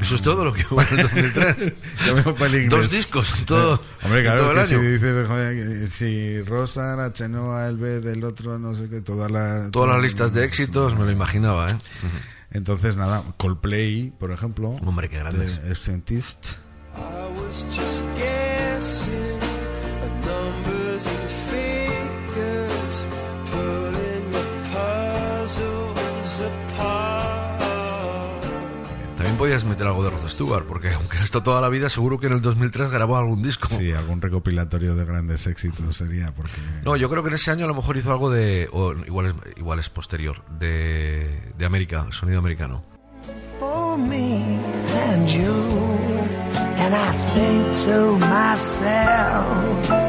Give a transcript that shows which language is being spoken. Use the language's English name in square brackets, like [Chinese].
[Spanish] Eso es todo lo que hubo en el 2003. Ya me voy para el inglés. Dos discos, todo. Hombre, claro, todo el año. Si dices, si Rosa, la Chenoa, el B del otro, no sé qué, todas las listas de éxitos, me lo imaginaba, ¿eh? Entonces, nada, Coldplay, por ejemplo. Hombre, qué grande. [English] The Scientist. I was just guessing the numbers and figures, putting my puzzles apart. [Spanish] También podías meter algo de Rod Stewart, porque aunque ha estado toda la vida, seguro que en el 2003 grabó algún disco. Sí, algún recopilatorio de grandes éxitos sería, porque... No, yo creo que en ese año a lo mejor hizo algo de... O igual es posterior, de América, sonido americano. [English] For me and you, and I think to myself,